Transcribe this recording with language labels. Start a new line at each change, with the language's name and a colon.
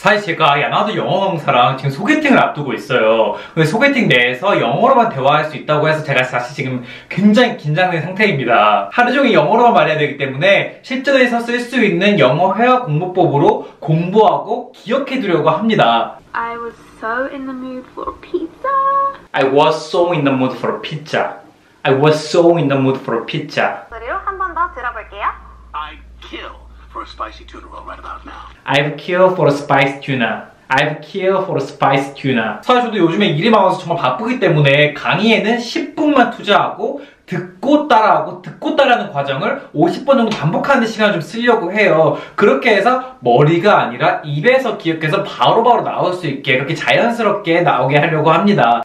Korean: 사실 제가 야나두 영어 강사랑 지금 소개팅을 앞두고 있어요. 근데 소개팅 내에서 영어로만 대화할 수 있다고 해서 제가 사실 지금 굉장히 긴장된 상태입니다. 하루 종일 영어로만 말해야 되기 때문에 실전에서 쓸 수 있는 영어 회화 공부법으로 공부하고 기억해 두려고 합니다.
English: I was so in the mood for pizza. I was so in the mood for pizza. I was so in the mood for a pizza.
Korean: 소리로 한 번 더 들어볼게요.
English: I'd kill for a spicy tuna roll right about now. I'd kill for a spicy tuna. I've killed for a spicy tuna.
Korean: 사실 저도 요즘에 일이 많아서 정말 바쁘기 때문에 강의에는 10분만 투자하고 듣고 따라하고 듣고 따라하는 과정을 50번 정도 반복하는 시간을 좀 쓰려고 해요. 그렇게 해서 머리가 아니라 입에서 기억해서 바로바로 나올 수 있게 그렇게 자연스럽게 나오게 하려고 합니다.